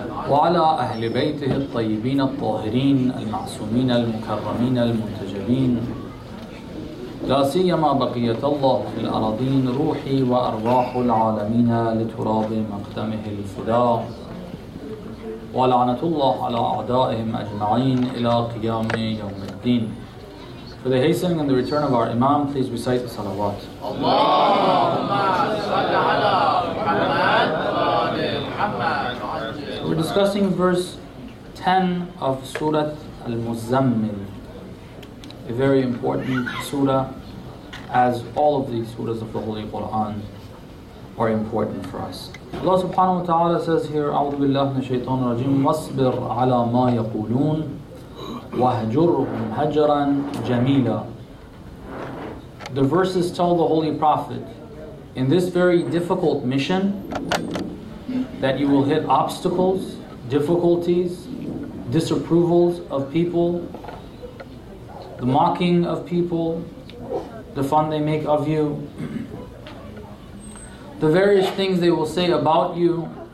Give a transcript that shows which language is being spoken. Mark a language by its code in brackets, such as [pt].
[ar] وعلى أهل بيته الطيبين الطاهرين المعصومين المكرمين المنتجبين، لا سيما بقية الله في الأراضين، روحي وأرواح العالمين لتراب مقدمه الفداء، ولعنة الله على أعدائهم أجمعين إلى قيام يوم الدين. [en] For the hastening and the return of our Imam, please recite the salawat. [ar] اللهم صل على محمد وآل محمد. [en] We're discussing verse 10 of Surah Al-Muzzammil, a very important surah, as all of these surahs of the Holy Quran are important for us. Allah subhanahu wa ta'ala says here, [ar] أعوذ بالله من الشيطان الرجيم واصبر على ما يقولون واهجرهم هجرا جميلا. [en] The verses tell the Holy Prophet, in this very difficult mission, that you will hit obstacles, difficulties, disapprovals of people, the mocking of people, the fun they make of you, the various things they will say about you.